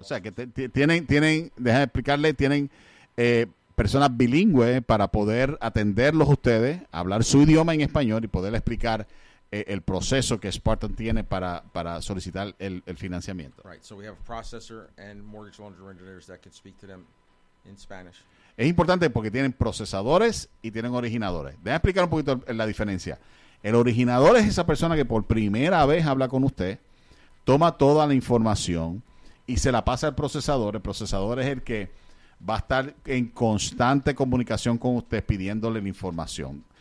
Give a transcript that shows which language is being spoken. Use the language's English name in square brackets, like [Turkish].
[Spanish] O sea, que déjame explicarle, tienen personas bilingües para poder atenderlos ustedes, hablar su idioma en español y poder explicar el proceso que Spartan tiene para solicitar el financiamiento. [English] Right, so we have a processor and mortgage loan originators that can speak to them in Spanish. [Spanish] Es importante porque tienen procesadores y tienen originadores. Déjame explicar un poquito la diferencia. El originador es esa persona que por primera vez habla con usted, toma toda la información y se la pasa al procesador. El procesador es el que va a estar en constante comunicación con usted pidiéndole la información.